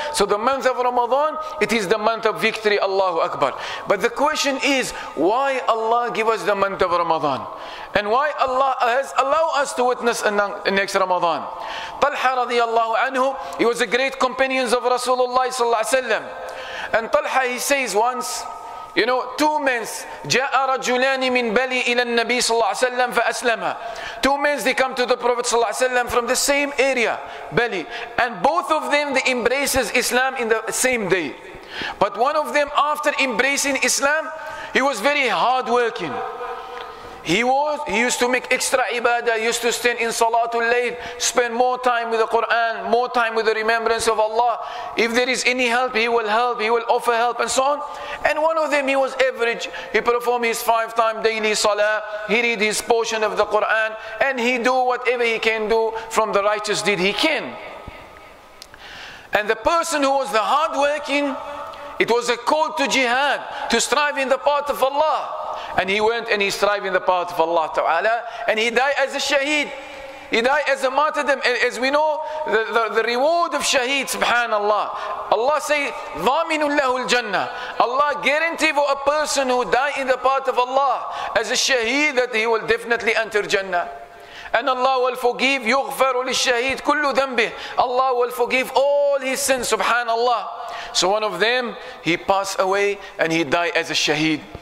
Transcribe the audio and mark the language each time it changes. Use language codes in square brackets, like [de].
[en] So the month of Ramadan, it is the month of victory. Allahu Akbar. But the question is, why Allah give us the month of Ramadan? And why Allah has allowed us to witness the next Ramadan? Talha radiallahu anhu, he was a great companion of Rasulullah sallallahu alayhi wa sallam. And Talha, he says once, you know, two men, [ar] جَاءَ رَجُلَانِ مِنْ بَلِي إِلَى النَّبِيِّ صَلَّى اللَّهُ عَلَيْهِ وَسَلَّمَ فَأَسْلَمَ. [en] Two men, they come to the Prophet sallallahu alayhi wa sallam from the same area, Bali. And both of them, they embraces Islam in the same day. But one of them, after embracing Islam, he was very hardworking. He used to make extra ibadah, used to stand in Salatul Layl, spend more time with the Quran, more time with the remembrance of Allah. If there is any help, he will help, he will offer help and so on. And one of them, he was average. He performed his 5 times daily salah, he read his portion of the Quran, and he do whatever he can do from the righteous deed he can. And the person who was the hardworking, it was a call to jihad, to strive in the path of Allah. And he went and he strived in the path of Allah Ta'ala, and he died as a shaheed. He died as a martyrdom. As we know, the reward of shaheed, subhanallah. Allah say, [ar] ضامن له الجنة. [en] Allah guarantee for a person who died in the path of Allah as a shaheed that he will definitely enter Jannah. And Allah will forgive, [ar] يغفر للشهيد كل ذنبه. [en] Allah will forgive all his sins, subhanallah. So one of them, he passed away and he died as a shaheed.